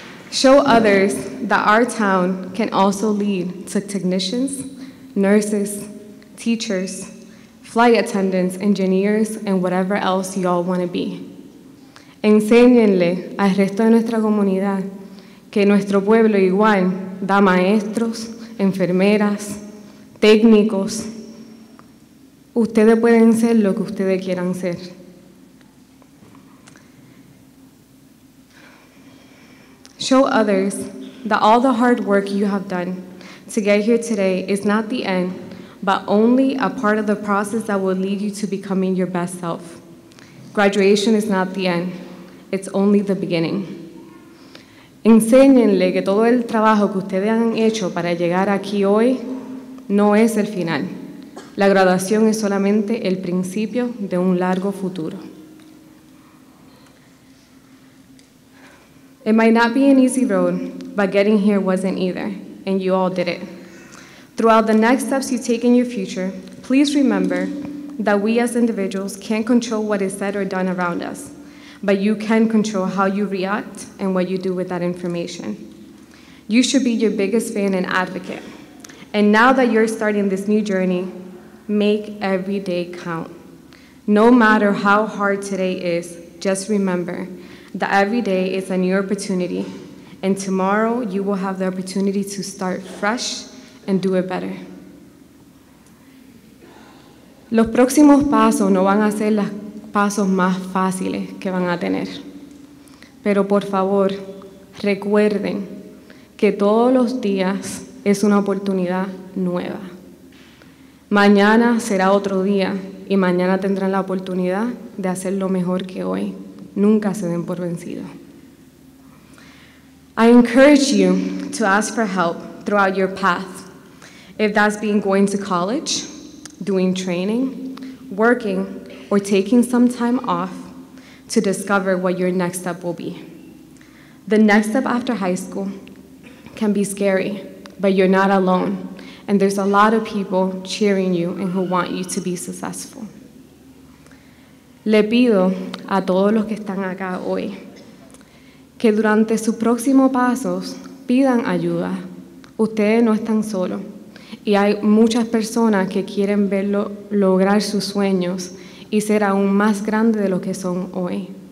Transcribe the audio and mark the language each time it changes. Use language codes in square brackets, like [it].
[en] Show others that our town can also lead to technicians, nurses, teachers, flight attendants, engineers, and whatever else y'all want to be. [es] Enséñenle al resto de nuestra comunidad que nuestro pueblo igual da maestros, enfermeras, técnicos. Ustedes pueden ser lo que ustedes quieran ser. [en] Show others that all the hard work you have done to get here today is not the end, but only a part of the process that will lead you to becoming your best self. Graduation is not the end, it's only the beginning. [es] Enséñenle que todo el trabajo que ustedes han hecho para llegar aquí hoy no es el final. La graduación es solamente el principio de un largo futuro. [en] It might not be an easy road, but getting here wasn't either, and you all did it. Throughout the next steps you take in your future, please remember that we as individuals can't control what is said or done around us, but you can control how you react and what you do with that information. You should be your biggest fan and advocate. And now that you're starting this new journey, make every day count. No matter how hard today is, just remember, that every day is a new opportunity, and tomorrow you will have the opportunity to start fresh and do it better. [es] Los próximos pasos no van a ser los pasos más fáciles que van a tener. Pero por favor, recuerden que todos los días es una oportunidad nueva. Mañana será otro día y mañana tendrán la oportunidad de hacer lo mejor que hoy. Nunca se den por vencido. [en] I encourage you to ask for help throughout your path. If that's being going to college, doing training, working, or taking some time off to discover what your next step will be. The next step after high school can be scary, but you're not alone, and there's a lot of people cheering you and who want you to be successful. [es] Le pido a todos los que están acá hoy que durante sus próximos pasos pidan ayuda. Ustedes no están solos. Y hay muchas personas que quieren verlo lograr sus sueños y ser aún más grande de lo que son hoy.